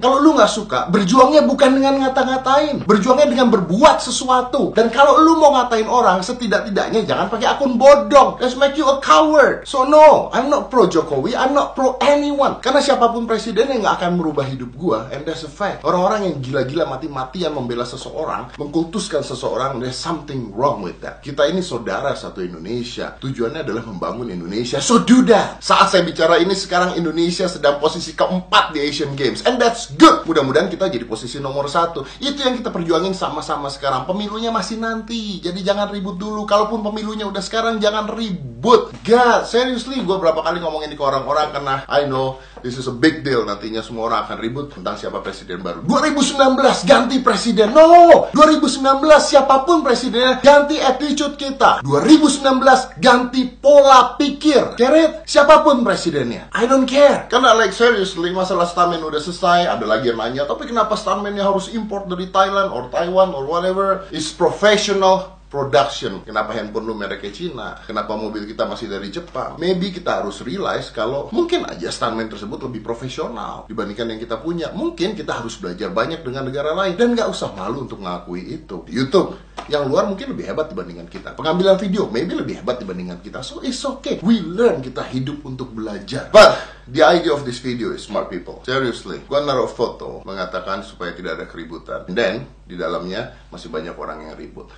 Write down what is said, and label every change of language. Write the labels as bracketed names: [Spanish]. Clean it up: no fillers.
[Indonesian] Kalau lu gak suka, berjuangnya bukan dengan ngata-ngatain, berjuangnya dengan berbuat sesuatu. Dan kalau lu mau ngatain orang, setidak-tidaknya jangan pakai akun bodong. [English] Let's make you a coward. So no, I'm not pro Jokowi, I'm not pro anyone. [Indonesian] Karena siapapun presiden yang gak akan merubah hidup gua, [English] and that's a fact. [Indonesian] Orang-orang yang gila-gila mati-matian membela seseorang, mengkultuskan seseorang, [English] there's something wrong with that. [Indonesian] Kita ini saudara satu Indonesia, tujuannya adalah membangun Indonesia. [English] So do that. [Indonesian] Saat saya bicara ini, sekarang Indonesia sedang posisi keempat di Asian Games, [English] and that's good. [Indonesian] Mudah-mudahan kita jadi posisi nomor satu. Itu yang kita perjuangin sama-sama sekarang. Pemilunya masih nanti, jadi jangan ribut dulu. Kalaupun pemilunya udah sekarang, jangan ribut. [English] God, seriously, [Indonesian] gue berapa kali ngomongin ini ke orang-orang, karena [English] I know this is a big deal. [Indonesian] Nantinya semua orang akan ribut tentang siapa presiden baru. 2019, ganti presiden. No! 2019, siapapun presidennya, ganti attitude kita. 2019, ganti pola pikir. [English] Get it? [Indonesian] Siapapun presidennya, [English] I don't care. [Indonesian] Karena [English] like seriously, [Indonesian] masalah stuntman udah selesai. Ada lagi yang nanya, tapi kenapa stuntmannya harus import dari Thailand [English] or Taiwan or whatever? It's professional production. [Indonesian] Kenapa handphone lu mereknya Cina? Kenapa mobil kita masih dari Jepang? Maybe kita harus realize kalau mungkin aja stuntman tersebut lebih profesional dibandingkan yang kita punya. Mungkin kita harus belajar banyak dengan negara lain. Dan gak usah malu untuk ngakui itu. YouTube yang luar mungkin lebih hebat dibandingkan kita. Pengambilan video maybe lebih hebat dibandingkan kita. [English] So it's okay. We learn, [Indonesian] kita hidup untuk belajar. [English] But the idea of this video is smart people. [Indonesian] Seriously, gua naruh foto mengatakan supaya tidak ada keributan. [English] And then [Indonesian] di dalamnya masih banyak orang yang ribut.